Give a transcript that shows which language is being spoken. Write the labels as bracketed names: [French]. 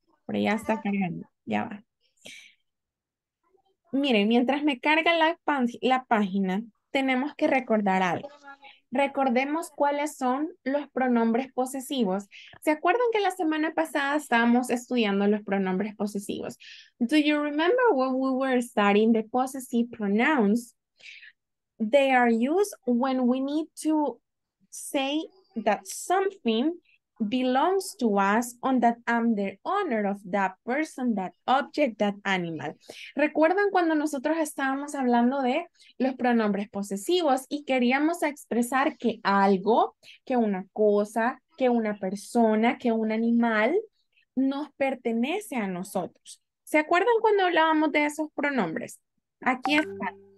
[Spanish] Pero ya está cargando, ya va. Miren, mientras me carga la página, tenemos que recordar algo. Recordemos cuáles son los pronombres posesivos. ¿Se acuerdan que la semana pasada estábamos estudiando los pronombres posesivos? [English] Do you remember when we were studying the possessive pronouns? They are used when we need to say that something belongs to us on that I'm the owner of that person, that object, that animal. [Spanish] ¿Recuerdan cuando nosotros estábamos hablando de los pronombres posesivos y queríamos expresar que algo, que una cosa, que una persona, que un animal nos pertenece a nosotros? ¿Se acuerdan cuando hablábamos de esos pronombres? Aquí está.